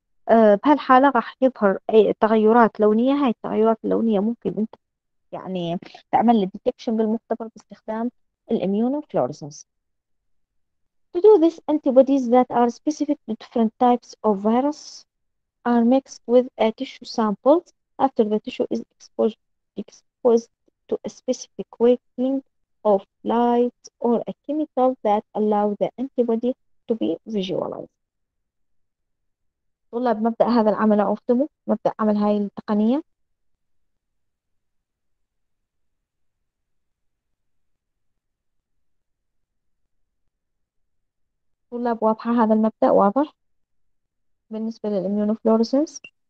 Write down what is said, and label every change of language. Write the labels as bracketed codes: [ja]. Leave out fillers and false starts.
[ar] بهالحالة راح يظهر أي تغيرات لونية، هاي التغيرات اللونية ممكن أنت يعني تعمل الديتكشن بالمختبر باستخدام الاميونوفلوريسنس. [en] To do this, antibodies that are specific to different types of virus are mixed with a tissue sample. After the tissue is exposed to a specific wavelength of light or a chemical that allow the antibody to be visualized. [ar] طلاب مبدأ هذا العمل عرفتمه، مبدأ عمل هاي التقنية. طلاب واضحة هذا المبدأ واضح بالنسبة للإميونوفلوريسنس؟